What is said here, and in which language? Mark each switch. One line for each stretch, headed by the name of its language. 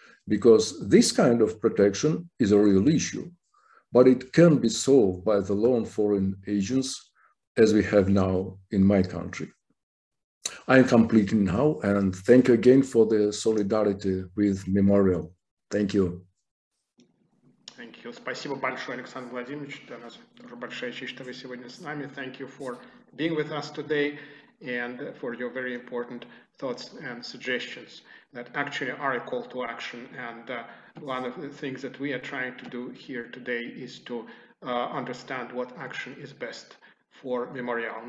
English: Because this kind of protection is a real issue, but it can be solved by the law on foreign agents as we have now in my country. I am completing now and thank you again for the solidarity with Memorial. Thank you. Thank you.
Russian: Спасибо большое, Александр Владимирович. Для нас тоже большая честь, что вы сегодня с нами.
English: Thank you for being with us today and for your very important thoughts and suggestions that actually are a call to action. And one of the things that we are trying to do here today is to understand what action is best for Memorial.